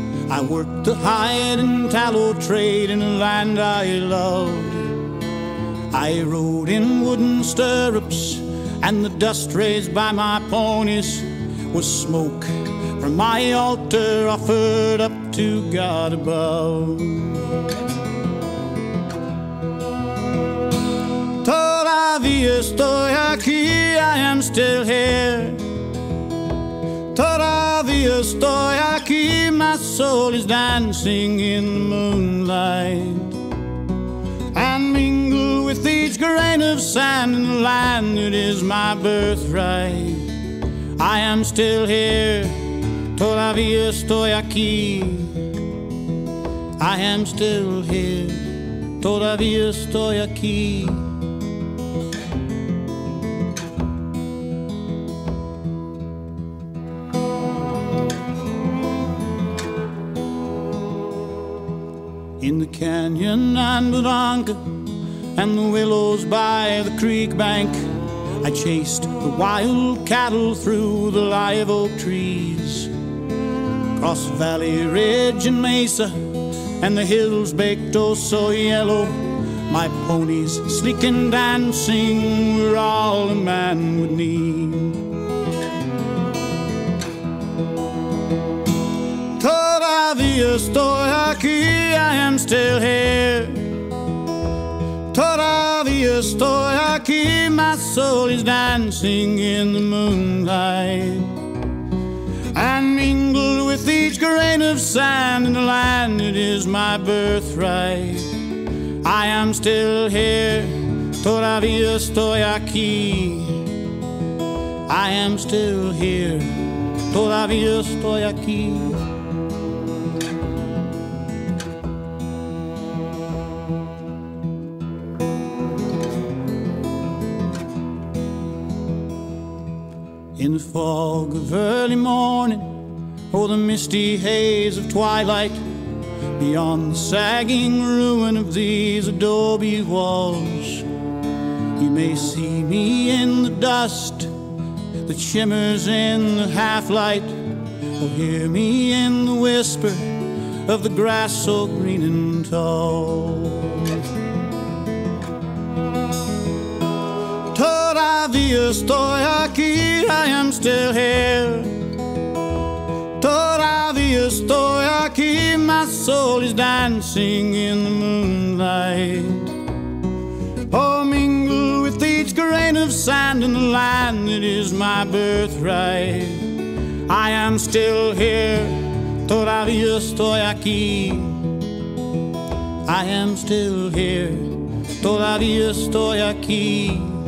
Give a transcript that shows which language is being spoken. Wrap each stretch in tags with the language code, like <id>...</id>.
<en>I worked the hide and tallow trade in a land I loved. I rode in wooden stirrups, and the dust raised by my ponies was smoke from my altar offered up to God above.</en> <es>Todavía estoy aquí,</es> <en>I am still here.</en> <es>Todavía estoy aquí,</es> <en>my soul is dancing in the moonlight. And mingle with each grain of sand in the land that is my birthright. I am still here,</en> <es>todavía estoy aquí.</es> <en>I am still here,</en> <es>todavía estoy aquí.</es> <en>In the canyon and the Donka and the willows by the creek bank, I chased the wild cattle through the live oak trees. Across valley ridge and mesa and the hills baked oh so yellow, my ponies sleek and dancing were all a man would need.</en> <es>Todavía estoy aquí,</es> <en>I am still here.</en> <es>Todavía estoy aquí,</es> <en>my soul is dancing in the moonlight. And mingled with each grain of sand in the land that is my birthright. I am still here,</en> <es>todavía estoy aquí.</es> <en>I am still here,</en> <es>todavía estoy aquí.</es> <en>In the fog of early morning, or the misty haze of twilight, beyond the sagging ruin of these adobe walls, you may see me in the dust that shimmers in the half-light, or hear me in the whisper of the grass so green and tall.</en> <es>Todavía estoy aquí,</es> <en>I am still here.</en> <es>Todavía estoy aquí,</es> <en>my soul is dancing in the moonlight. Oh, mingle with each grain of sand in the land that is my birthright. I am still here,</en> <es>todavía estoy aquí.</es> <en>I am still here,</en> <es>todavía estoy aquí.</es>